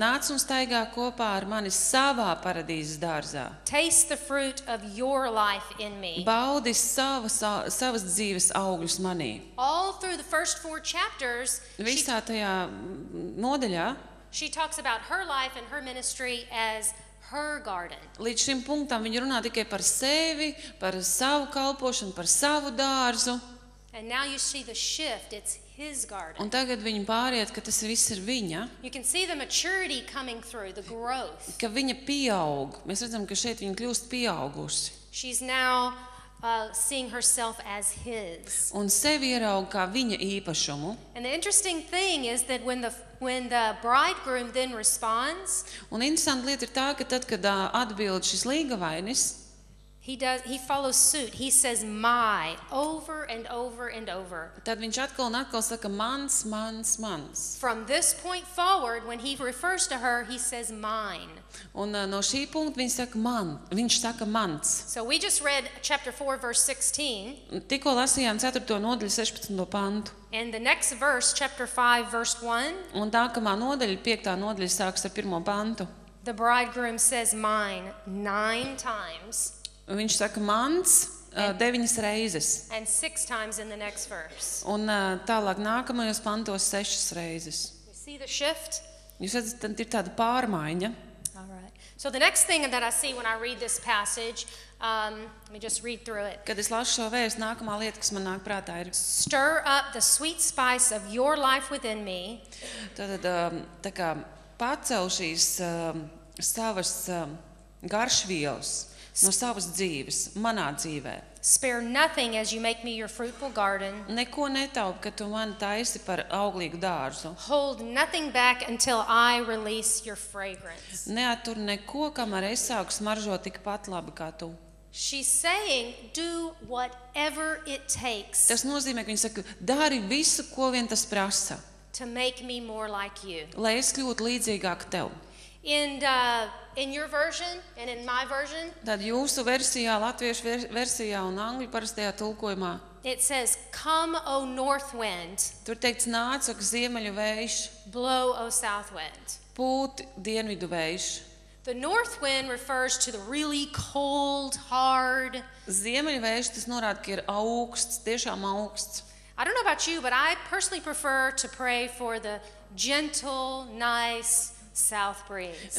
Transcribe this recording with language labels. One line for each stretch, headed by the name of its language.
Latvian: Nāc un staigā kopā ar mani savā paradīzes dārzā.
English: Taste the fruit of your life in me.
Latvian: Baudi savas dzīves augļus manī.
English: All through the first four chapters,
Latvian: visā tajā nodaļā,
English: she talks about her life and her ministry as her garden.
Latvian: Līdz šim punktam viņa runā tikai par sevi, par savu kalpošanu, par savu dārzu.
English: And now you see the shift. It's his garden.
Latvian: Un tagad viņa pāriet, ka tas viss ir viņa.
English: You can see the maturity coming through, the growth.
Latvian: Ka viņa pieaug. Mēs redzam, ka šeit viņa kļūst pieaugusi.
English: She's now seeing herself as his.
Latvian: Un sevi ieraug kā viņa īpašumu.
English: And the interesting thing is that when the bridegroom then responds,
Latvian: un interesanta lieta ir tā, ka tad, kad atbild šis līgavainis,
English: He follows suit. He says my over and over and over.
Latvian: Tad viņš atkal un atkal saka mans, mans, mans.
English: From this point forward, when he refers to her, he says mine.
Latvian: Un no šī punkta viņš saka man, viņš saka mans.
English: So we just read chapter 4 verse 16.
Latvian: Tikko lasījām 4. Nodaļu 16. Pantu.
English: And the next verse, chapter 5 verse 1.
Latvian: Un nākamā nodaļa, 5. Nodaļa sāks ar 1. Pantu.
English: The bridegroom says mine 9 times.
Latvian: Viņš saka mans 9 reizes.
English: And 6 times in the next verse.
Latvian: Un tālāk nākamajos pantos 6 reizes.
English: You see the shift?
Latvian: Jūs redzat, ir tāda pārmaiņa.
English: All right. So the next thing that I see when I read this passage, let me just read through it.
Latvian: Kad es lasu šo vēstu, nākamā lieta, kas man nāk prātā, ir
English: stir up the sweet spice of your life within me.
Latvian: Tātad tā kā pacel šīs savas garšvielas no savas dzīves, manā dzīvē.
English: Spare nothing as you make me your fruitful garden.
Latvian: Neko netaupi, ka tu mani taisi par auglīgu dārzu.
English: Hold nothing back until I release your fragrance.
Latvian: Neatur neko, kamēr es sāku smaržot tikpat labi kā tu.
English: She's saying, do whatever it takes.
Latvian: Tas nozīmē, ka viņa saka, dari visu, ko vien tas prasa.
English: To make me more like you.
Latvian: Lai es kļūtu līdzīgāk tev.
English: In your version and in my version.
Latvian: Tad jūsu versijā, latviešu versijā un angļu parastajā tulkojumā.
English: It says come o north wind.
Latvian: Tur teikts nāc o ziemeļu vējš.
English: Blow o south wind.
Latvian: Pūt dienvidu vējš.
English: The north wind refers to the really cold, hard.
Latvian: Ziemeļu vējš tas norāda, ka ir auksts, tiešām auksts.
English: I don't know about you, but I personally prefer to pray for the gentle, nice south breeze.